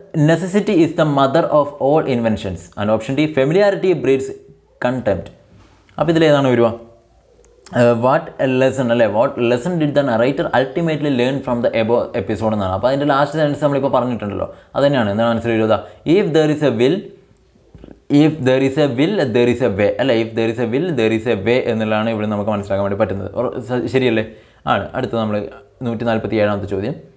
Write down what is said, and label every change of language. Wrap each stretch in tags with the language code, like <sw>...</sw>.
<en>Necessity is the mother of all inventions. And option D, familiarity breeds contempt.</en> <ml>അപ്പോൾ ഇതിലേതാണ് വരിക?</ml> <en>What a lesson, അല്ലേ. What lesson did the narrator ultimately learn from the above episode എന്നാണ്.</en> <ml>അപ്പോൾ അതിൻ്റെ last sentence നമ്മളിപ്പോൾ പറഞ്ഞിട്ടുണ്ടല്ലോ, അതുതന്നെയാണ്. എന്താണ് ആൻസർ വരുക?</ml> <en>If there is a will, there is a way</en> <ml>എന്നുള്ളതാണ് ഇവിടെ നമുക്ക് മനസ്സിലാക്കാൻ വേണ്ടി പറ്റുന്നത്. ശരിയല്ലേ. ആണ്. അടുത്ത നമ്മൾ 147-ാമത്തെ ചോദ്യം.</ml>